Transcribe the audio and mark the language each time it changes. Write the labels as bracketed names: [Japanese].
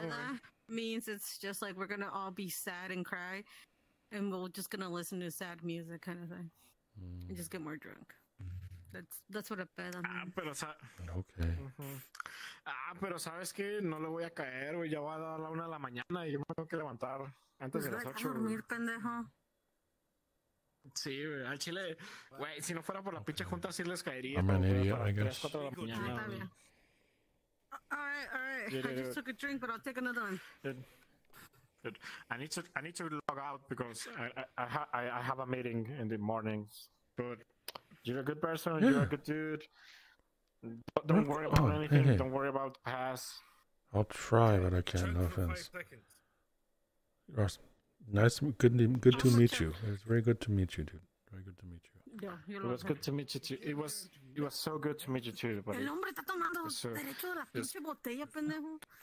[English] So basically, it means it's just like we're gonna all be sad and cry, and we're just gonna listen to sad music, kind of thing, and just get more drunk. That's what a peda means. Okay. Uh-huh. [Spanish] Pero sabes que no le voy a caer, güey. Ya va a dar la 1 a.m. y yo me tengo que levantar antes de las 8. ¿Vas a dormir, pendejo? Sí, güey, al chile, güey, si no fuera por la pinche junta, sí les caería. [English] I'm an idiot, I guess. [Spanish] Mañana, [English] all right. just took a drink, but I'll take another one. Good. I need to log out because I have a meeting in the morning. But you're a good person. Yeah. You're a good dude. Don't worry about anything. Hey. Don't worry about the past. I'll try, but I can't. No offense. Nice, good to meet you. It was very good to meet you, dude. Very good to meet you. Yeah, it was good to meet you too. It was so good to meet you too, buddy. [Spanish] El hombre está tomando derecho de la pinche botella, pendejo.